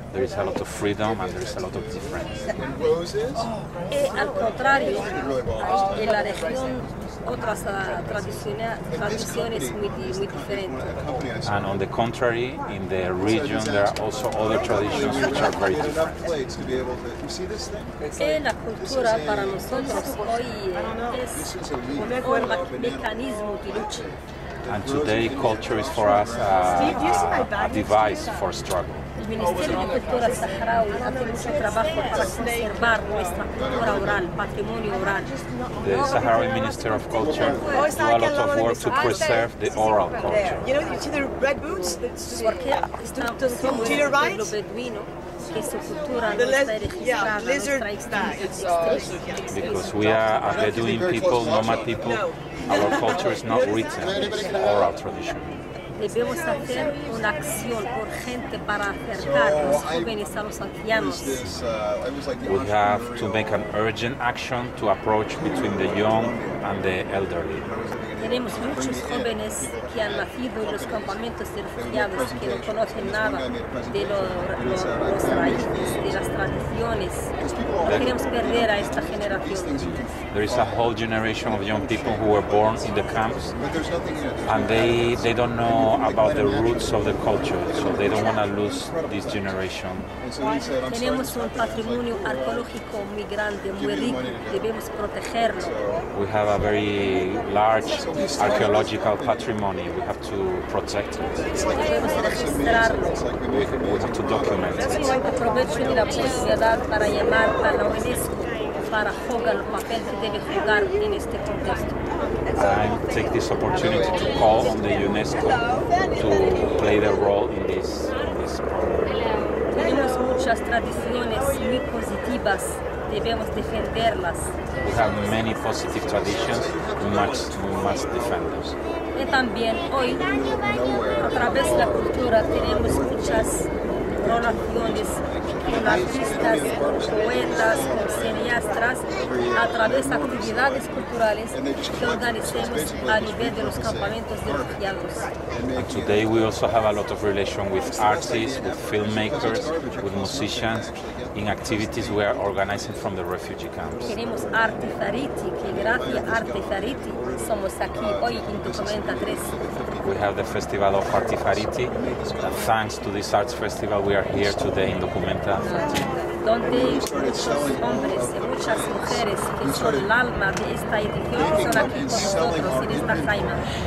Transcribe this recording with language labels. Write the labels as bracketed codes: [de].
[en] There is a lot of freedom and there is a lot of difference. [es] Y al contrario, en la región otras tradiciones muy diferentes. [en] And on the contrary, in the region there are also other traditions which are very different. [es] Y la cultura para nosotros hoy es un mecanismo de lucha. [en] And today culture is for us a device for struggle. [es] El Ministerio de Cultura Saharaui hace mucho trabajo para conservar nuestra cultura oral, patrimonio oral. [en] The Sahrawi Minister of Culture do a lot of work to preserve the oral culture. You know, you see the red boots? To your right? The lizard style. Because we are a Bedouin people, nomad people, our culture is not written, it's oral tradition. [es] Debemos hacer una acción urgente para acercar a los jóvenes a los ancianos. [en] We have to make an urgent action to approach between the young and the elderly. [es] Tenemos muchos jóvenes que han nacido en los campamentos de refugiados que no conocen nada de los raíces, de las tradiciones. No queremos perder a esta generación. [en] There is a whole generation of young people who were born in the camps, and they don't know about the roots of the culture, so they don't want to lose this generation. [es] Tenemos un patrimonio arqueológico muy grande, muy rico, debemos protegerlo. [en] We have a very large archaeological patrimony, we have to protect it. [es] Debemos registrarlo. [en] We have to document it. [es] Aprovecho de la posibilidad para llamar a la UNESCO para jugar el papel que debe jugar en este contexto. [en] I take this opportunity to call on the UNESCO to play their role in this program. [es] Tenemos muchas tradiciones muy positivas, debemos defenderlas. [en] We have many positive traditions, we must defend them. [es] Y también hoy, a través de la cultura, tenemos muchas relaciones con artistas, con poetas, con cineastas, a través de actividades culturales que organizamos a nivel de los campamentos de refugiados. [en] And today we also have a lot of relation with artists, with filmmakers, with musicians, in activities we are organizing from the refugee camps. [es] Tenemos Arte Fariti, que gracias a Arte Fariti somos aquí hoy en Documenta 3. [en] We have the festival of Arte Fariti, and thanks to this arts festival we are here today in Documenta 3. [es] Donde muchos hombres y muchas mujeres que son el alma de esta edición son aquí con nosotros en esta jaima.